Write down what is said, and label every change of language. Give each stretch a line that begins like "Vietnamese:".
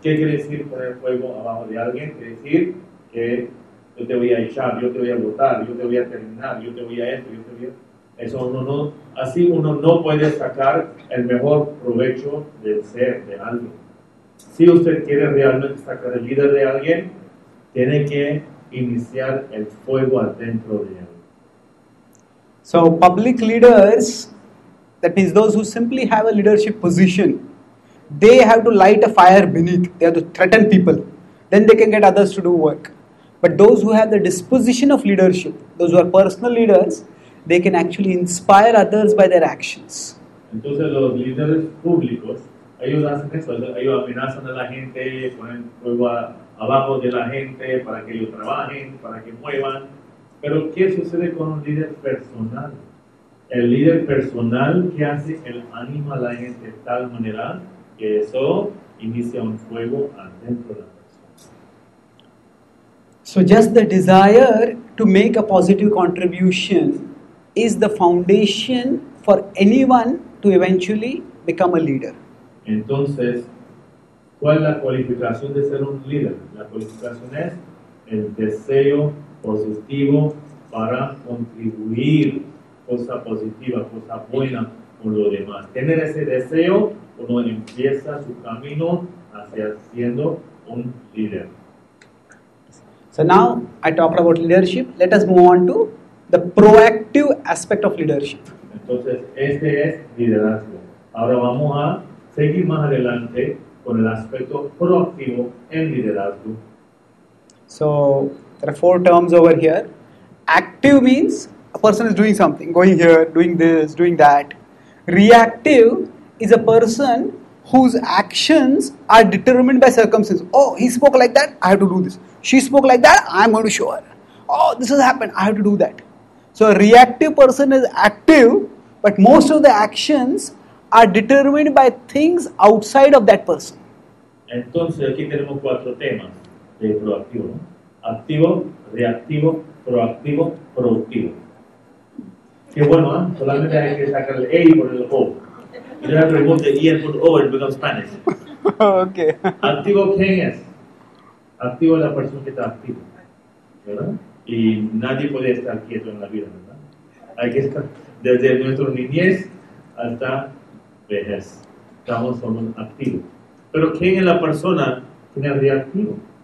Spanish: ¿Qué quiere decir poner fuego abajo de alguien? Quiere decir que yo te voy a echar, yo te voy a botar, yo te voy a terminar, yo te voy a esto, yo te voy a... Eso uno no, así uno no puede sacar el mejor provecho del ser de alguien. Si usted quiere realmente sacar el líder de alguien, tiene que iniciar el fuego adentro de él.
English: So, public leaders, that means those who simply have a leadership position, they have to light a fire beneath, they have to threaten people, then they can get others to do work. But those who have the disposition of leadership, those who are personal leaders, they can actually inspire others by their actions.
Spanish: Entonces los líderes públicos, ellos hacen eso, ellos amenazan a la gente, ponen fuego abajo de la gente para que ellos trabajen, para que muevan. Pero ¿qué sucede con un líder personal? El líder personal, ¿qué hace? Él anima a la gente de tal manera que eso inicia un fuego adentro de la persona.
English: So just the desire to make a positive contribution is the foundation for anyone to eventually become a leader.
Spanish: Entonces, ¿cuál es la cualificación de ser un líder? La cualificación es el deseo positivo para contribuir cosa positiva, cosa buena con lo demás. Tener ese deseo, uno empieza su camino hacia siendo un líder.
English: So now, I talked about leadership. Let us move on to the proactive aspect of leadership.
Spanish: Entonces, este es liderazgo. Ahora vamos a seguir más adelante con el aspecto proactivo en liderazgo.
English: So, there are four terms over here. Active means a person is doing something, going here, doing this, doing that. Reactive is a person whose actions are determined by circumstances. Oh, he spoke like that, I have to do this. She spoke like that, I'm going to show her. Oh, this has happened, I have to do that. So a reactive person is active, but most of the actions are determined by things outside of that person.
Spanish: Entonces aquí tenemos cuatro temas de proactivo, ¿no? Activo, reactivo, proactivo, productivo. Qué bueno, ¿eh? Solamente hay que sacar el A por el O.
English: You don't have to remove the E and put O, it becomes Spanish. Okay.
Spanish: Activo, ¿quién es? Activo es la persona que está activa, ¿verdad? Y nadie puede estar quieto en la vida, ¿verdad? Hay que estar desde nuestra niñez hasta vejez. Estamos somos activos. Pero ¿quién es la persona que es reactivo?